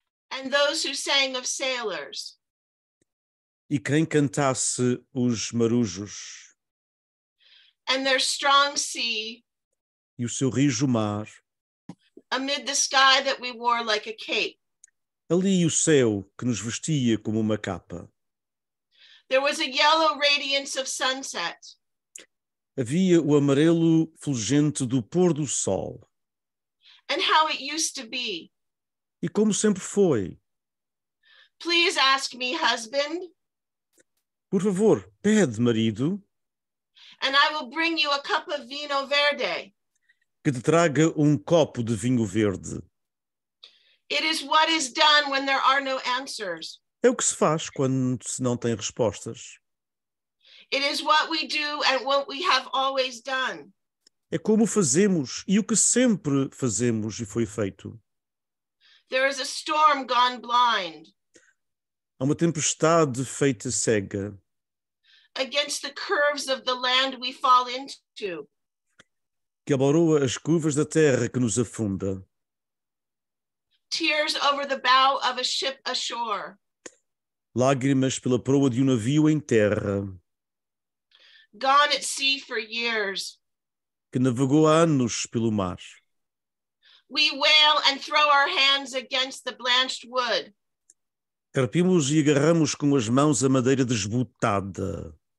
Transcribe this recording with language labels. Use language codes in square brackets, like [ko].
[en] And those who sang of sailors. [pt] E quem cantasse os marujos. [en] And their strong sea. [pt] E o seu rijo mar. [en] Amid the sky that we wore like a cape. [pt] Ali o céu que nos vestia como uma capa. [en] There was a yellow radiance of sunset. [pt] Havia o amarelo fulgente do pôr do sol. [en] And how it used to be. [pt] E como sempre foi. [en] Please ask me, husband. [pt] Por favor, pede, marido. [en] And I will bring you a cup of vino verde. [pt] Que te traga copo de vinho verde. [en] It is what is done when there are no answers. [pt] É o que se faz quando se não tem respostas. [en] It is what we do and what we have always done. [pt] É como fazemos e o que sempre fazemos e foi feito. [en] There is a storm gone blind. [pt] Há uma tempestade feita cega. [en] Against the curves of the land we fall into. [pt] Que abaroa as curvas da terra que nos afunda. [en] Tears over the bow of a ship ashore. [pt] Lágrimas pela proa de navio em terra. [en] Gone at sea for years. [pt] Que navegou há anos pelo mar. [en] We wail and throw our hands against the blanched wood. [pt] Carpimos e agarramos com as mãos a madeira desbotada.